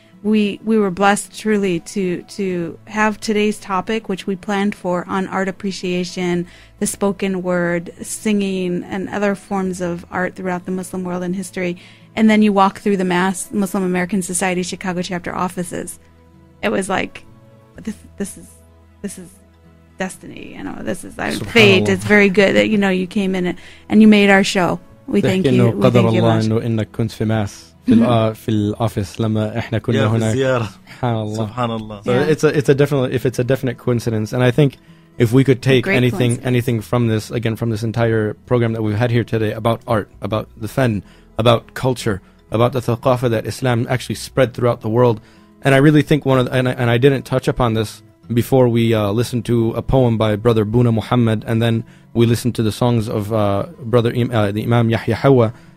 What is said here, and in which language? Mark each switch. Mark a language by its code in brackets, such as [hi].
[en] We were blessed truly to have today's topic, which we planned for, on art appreciation, the spoken word, singing, and other forms of art throughout the Muslim world and history. And then you walk through the Mass Muslim American Society Chicago chapter offices. It was like, this is destiny. You know, this is fate. It's very good that, you know, you came in and you made our show. We thank you. [ar] قدر الله إنه إنك كنت في ماس في الأوفيس لما إحنا كنا هنا. يا زيارة. سبحان الله. [en] So it's a definite coincidence, and I think if we could take anything from this, again from this entire program that we've had here today about art, about the fen, about culture, about the ثقافة that Islam actually spread throughout the world, and I really think I didn't touch upon this before we listened to a poem by Brother Buna Muhammad, and then we listened to the songs of Brother the Imam Yahya Hawa.